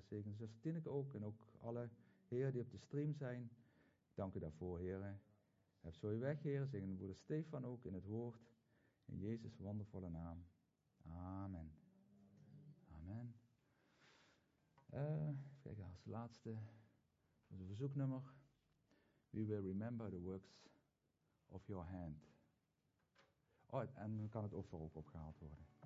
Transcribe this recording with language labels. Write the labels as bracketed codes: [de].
[nl] Zegen zus Tineke ook en ook alle heren die op de stream zijn. Dank u daarvoor, Heere. Heb zo uw weg, Heere. Zegen broeder Stefan ook in het woord. In Jezus' wondervolle naam. Amen. Amen. Even kijken als laatste. Onze verzoeknummer. [en] We will remember the works of your hand. [nl] Oh, en dan kan het offer ook opgehaald worden.